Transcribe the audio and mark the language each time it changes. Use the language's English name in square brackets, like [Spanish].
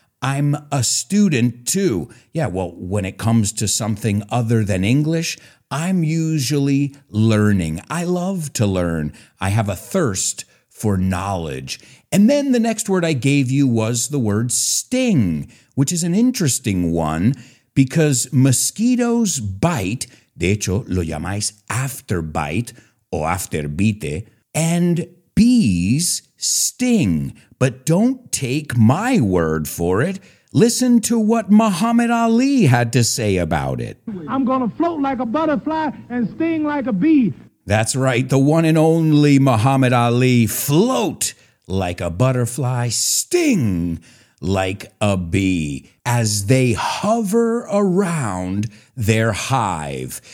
[English] I'm a student too. Yeah, well, when it comes to something other than English, I'm usually learning. I love to learn. I have a thirst for knowledge. And then the next word I gave you was the word sting, which is an interesting one because mosquitoes bite. [Spanish] De hecho, lo llamáis [English] after bite [Spanish] o after bite. [English] And bees sting, but don't take my word for it. Listen to what Muhammad Ali had to say about it. I'm gonna float like a butterfly and sting like a bee. That's right, the one and only Muhammad Ali. Float like a butterfly, sting like a bee, as they hover around their hive.